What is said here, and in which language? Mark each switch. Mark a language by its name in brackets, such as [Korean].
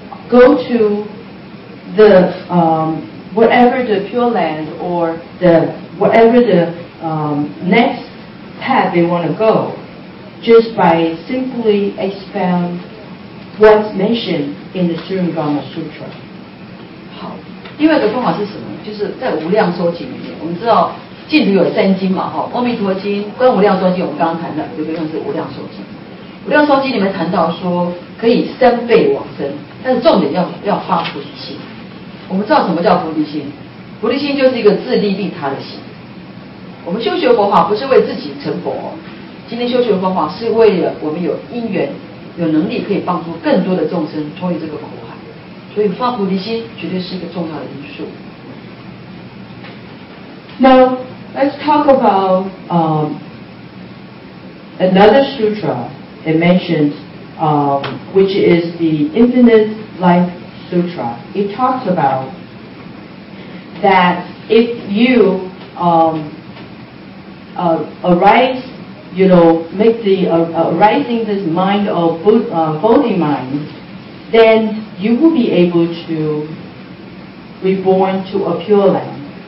[English] go to the whatever the pure land or the whatever the next path they want to go, just by simply expound what's mentioned in the Shirangama Sutra. [Chinese] 好，第二个方法是什么？就是在无量寿经里面，我们知道净土有三经嘛，哈，阿弥陀经、观无量寿经，我们刚刚谈的这个算是无量寿经。无量寿经里面谈到说可以三倍往生，但是重点要发菩提心。我们知道什么叫菩提心？菩提心就是一个自利利他的心。我们修学佛法不是为自己成佛，今天修学佛法是为了我们有因缘有能力可以帮助更多的众生脱离这个苦海，所以发菩提心绝对是一个重要的因素。 [English] Now let's talk about another sutra it mentioned which is the Infinite Life Sutra. It talks about that if you arise, you know, make the arising this mind of Bodhi mind, then you will be able to reborn to a pure land.